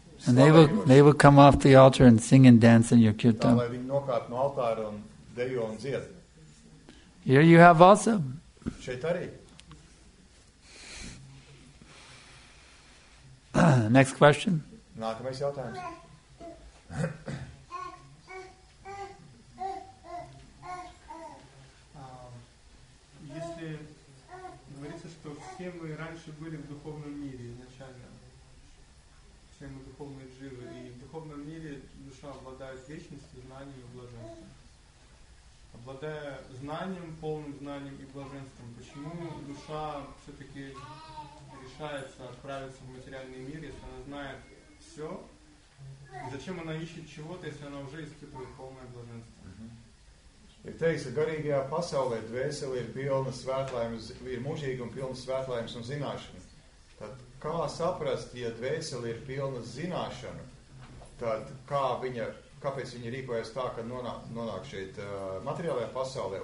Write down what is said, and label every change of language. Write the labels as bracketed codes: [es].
[en] And they will come off the altar and sing and dance in your kirtan. [lv] Lai viņi nokāp no altāra un dejo un dzied. [en] Here you have also. Next question. [lv] Nākamais jautājums. [ru] Если говорится, что все мы раньше были в духовном мире изначально, все мы духовные дживы, и в духовном мире душа обладает вечностью, знанием и блаженством. Обладая знанием, полным знанием и блаженством, почему душа все-таки решается отправиться в материальный мир, если она знает все? И зачем она ищет чего-то, если она уже испытывает полное блаженство? [lv] Ir teiksa, garīgajā pasaulē dvēseli ir pilna svētlājums, ir mūžīga un pilna svētlājums un zināšana. Tad kā saprast, ja dvēseli ir pilna zināšana, tad kā viņa... Kāpēc viņi rīkojas tā, ka nonāk šeit materiālajā pasaulē?